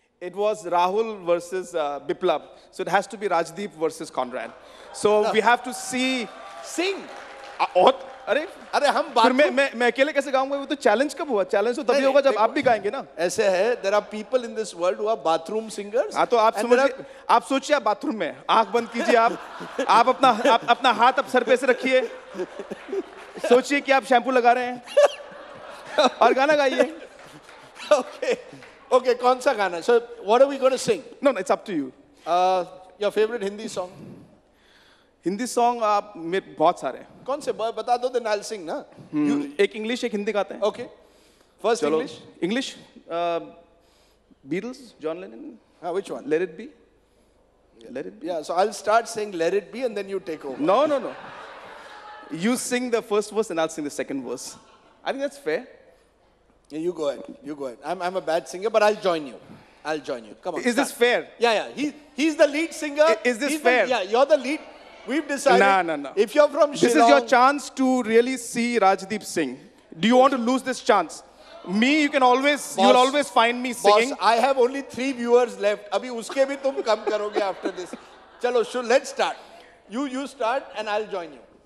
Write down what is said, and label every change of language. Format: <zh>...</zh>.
<en>It was Rahul versus Biplab. So it has to be Rajdeep versus Conrad. So we have to see. Sing. challenge There are people in this world who are bathroom singers.</en> <hi>हाँ तो आप समझे आप सोचिए आप bathroom में आँख बंद कीजिए आप आप अपना आप अपना हाथ आप सर पे से रखिए सोचिए कि आप शैम्पू लगा रहे हैं और गाना गाइए</hi> <en>okay okay</en> <hi>कौन सा गाना</hi> <en>so what are we going to sing no it's up to you your favorite Hindi song</en> <hi>Hindi song आप मेरे बहुत सारे हैं कौन से बता दो</hi> <en>then I will sing</en> <hi>ना एक इंग्लिश एक हिंदी गाते हैं</hi> <en>Okay first English English Beatles John Lennon हाँ which one let it be let it be या so I will start sing let it be and then you take over no you sing the first verse and I will sing the second verse I think that's fair you go ahead I am a bad singer but I will join you come on is this fair या he is the lead singer is this fair या you are the lead We've decided. No. If you're from Shillong, this is your chance to really see Rajdeep sing. Do you want to lose this chance? Me, you can always, boss, you'll always find me singing. Boss, I have only 3 viewers left.</en> <hi>अभी उसके भी तुम कम करोगे</hi> <en>after this. चलो, so let's start. You start and I'll join you.</en>